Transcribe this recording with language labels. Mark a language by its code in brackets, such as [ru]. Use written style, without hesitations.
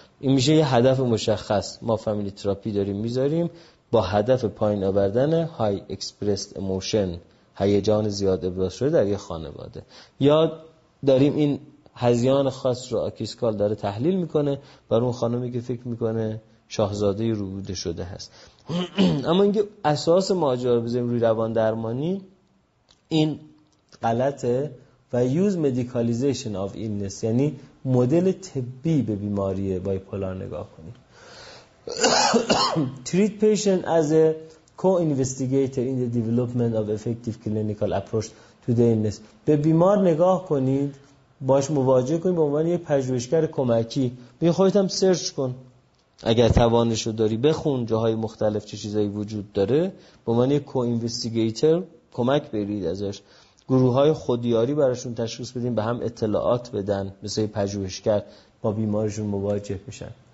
[fa] این میشه یه هدف مشخص. ما فامیلی تراپی داریم میذاریم با هدف پایین آوردن های اکسپرس ایموشن، هیجان زیاد ابراز شده در یه خانواده، یا داریم این هذیان خاص رو آکیسکال داره تحلیل میکنه برای اون خانومی که فکر میکنه شاهزاده روبوده شده هست. اما اینکه اساس ماجرا رو بذاریم روی روان درمانی، این غلطه. و [en] use medicalization of illness [fa] یعنی مدل طبی به بیماری بایپولار نگاه کنیم. [en] treat patient as a co-investigator in the development of effective clinical approach to the illness. [fa] به بیمار نگاه کنید، باش مواجه کنید به عنوان یک پژوهشگر کمکی. بیا خودت هم سرچ کن، اگر توانشو داری بخون جاهای مختلف چه چیزایی وجود داره، به عنوان یک co-investigator کمک برید ازش. گروه های خودیاری براشون تشخیص بدیم، به هم اطلاعات بدن، مثل پژوهشگر با بیمارشون مواجه بشن.